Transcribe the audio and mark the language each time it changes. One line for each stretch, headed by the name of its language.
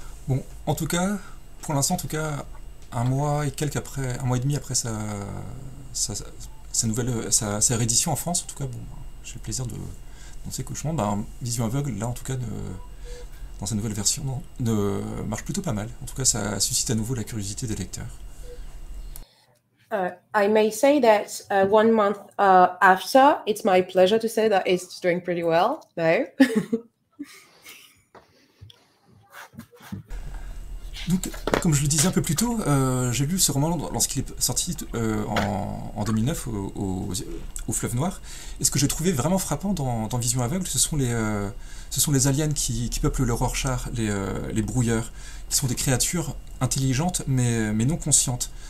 French: Bon, en tout cas, pour l'instant, en tout cas, un mois et demi après sa réédition en France, en tout cas, bon, j'ai le plaisir de lancer Vision aveugle, là, en tout cas, de... dans sa nouvelle version marche plutôt pas mal. En tout cas, ça suscite à nouveau la curiosité des lecteurs.
English: I may say that one month after, it's my pleasure to say that it's doing pretty well, though.
French: Donc, comme je le disais un peu plus tôt, j'ai lu ce roman lorsqu'il est sorti en 2009 au Fleuve Noir. Et ce que j'ai trouvé vraiment frappant dans Vision Aveugle, ce sont les aliens qui peuplent le Rorschach, les brouilleurs, qui sont des créatures intelligentes mais non conscientes.